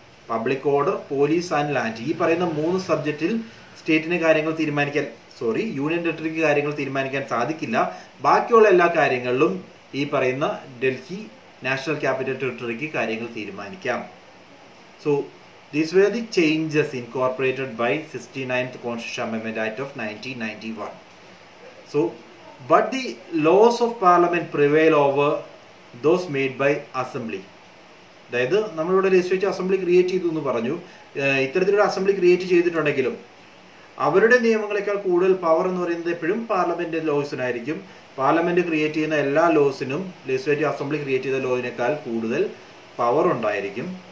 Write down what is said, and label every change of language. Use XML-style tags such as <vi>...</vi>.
<ml>Public order, police and land ഈ പറയുന്ന മൂന്ന് സബ്ജക്റ്റിൽ സ്റ്റേറ്റിന് കാര്യങ്ങൾ തീരുമാനിക്കാൻ, സോറി, യൂണിയൻ ടെറിട്ടറിക്ക് കാര്യങ്ങൾ തീരുമാനിക്കാൻ സാധിക്കില്ല. ബാക്കിയുള്ള എല്ലാ കാര്യങ്ങളിലും ഈ പറയുന്ന ഡൽഹി നാഷണൽ ക്യാപിറ്റൽ ടെറിട്ടറിക്ക് കാര്യങ്ങൾ തീരുമാനിക്കാം. So</ml> <en>These were the changes incorporated by 69th Constitutional Amendment Act of 1991. So, but the laws of Parliament prevail over those made by Assembly.</en> <ml>അതായത് നമ്മളിവിടെ ലെജിസ്ലേറ്റീവ് അസംബ്ലി ക്രിയേറ്റ് ചെയ്തു എന്ന് പറഞ്ഞു. ഇത്തരത്തിലൊരു അസംബ്ലി ക്രിയേറ്റ് ചെയ്തിട്ടുണ്ടെങ്കിലും അവരുടെ നിയമങ്ങളെക്കാൾ കൂടുതൽ പവർ എന്ന് പറയുന്നത് എപ്പോഴും പാർലമെന്റ് ലോസിനായിരിക്കും. പാർലമെന്റ് ക്രിയേറ്റ് ചെയ്യുന്ന എല്ലാ ലോസിനും ലെജിസ്ലേറ്റീവ് അസംബ്ലി ക്രിയേറ്റ് ചെയ്ത ലോസിനേക്കാൾ കൂടുതൽ പവർ ഉണ്ടായിരിക്കും.</ml>